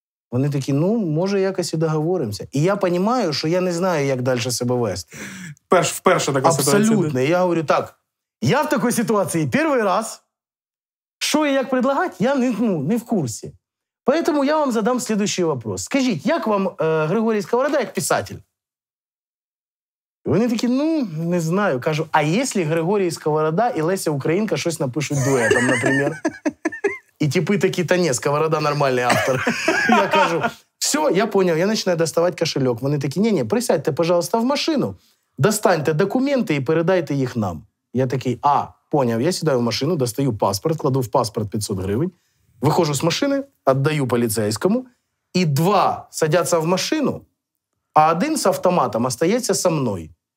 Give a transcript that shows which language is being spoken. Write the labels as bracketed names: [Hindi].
[Ukrainian] Вони такі, ну, може якось і договоримося. І я розумію, що я не знаю, як далі себе вести. Вперше така ситуація. Абсолютно. Я говорю, так, я в такій ситуації перший раз. Що і як предлагати, я не в курсі. [Russian] Поэтому я вам задам следующий вопрос. [Ukrainian] Скажіть, як вам Григорій Сковорода як писатель? Вони такі, ну, не знаю. Кажу, а якщо Григорій Сковорода і Леся Українка щось напишуть дуетом, наприклад? І типи такі, та ні, Сковорода нормальний автор. Я кажу, все, я поняв, я починаю доставати кошелек. Вони такі, ні, [Russian] присядьте, пожалуйста, [Ukrainian] в машину, достаньте документи і передайте їх нам. Я такий, а, поняв, я сідаю в машину, достаю паспорт, кладу в паспорт 500 гривень, виходжу з машини, віддаю поліцейському, і два садяться в машину, а один з автоматом остається со мною.